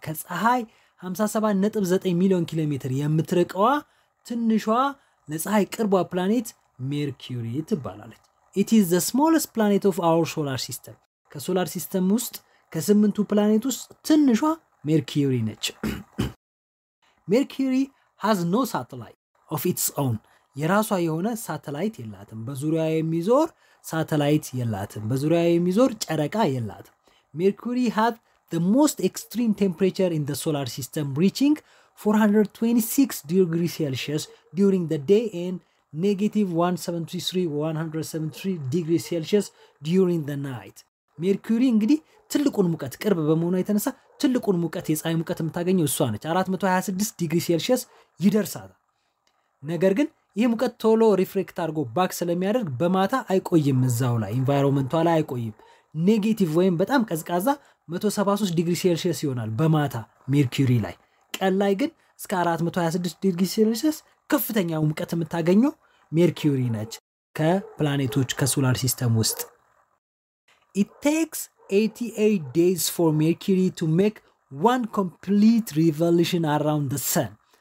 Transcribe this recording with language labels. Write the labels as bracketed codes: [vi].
[am] ከፀሐይ 57.9 ሚሊዮን ኪሎ ሜትር የምትርቀዋ ትንሿ ለፀሐይ ቅርቧ ፕላኔት ሜርኩሪ ትባላለች። [en] It is the smallest planet of our solar system. [am] ከሶላር ሲስተም ውስጥ ከስምንቱ ፕላኔት ውስጥ ትንሿ ሜርኩሪ ነች። ሜርኩሪ [en] has no satellite of its own. [am] የራሷ የሆነ ሳተላይት የላትም። በዙሪያዋ የሚዞር ሳተላይት የላትም። በዙሪያዋ የሚዞር ጨረቃ የላትም። [en] ሜርኩሪ has the most extreme temperature in the solar system reaching 426 degrees Celsius during the day and negative 173 degrees Celsius during the night. [am] Mercury እንግዲህ ትልቁን ሙቀት ቅርብ በመሆኗ የተነሳ ትልቁን ሙቀት የፀሐይ ሙቀት የምታገኘው እሷ ነች። 426 ዲግሪ ሴልሺየስ ይደርሳል። ነገር ግን ይሄ ሙቀት ቶሎ ሪፍሬክት አድርጎ ባክ ስለሚያደርግ በማታ አይቆይም እዛው ላይ ኢንቫይሮንመንቷ ላይ አይቆይም። ኔጌቲቭ ወይም በጣም ቀዝቃዛ 173 ዲግሪ ሴልሺየስ ይሆናል በማታ ሜርኩሪ ላይ። ቀን ላይ ግን እስከ 426 ዲግሪ ሴልሺየስ ከፍተኛው ሙቀት የምታገኘው ሜርኩሪ ነች። ከፕላኔቶች ከሶላር ሲስተም ውስጥ [en] It takes 88 days for Mercury to make one complete revolution around the sun.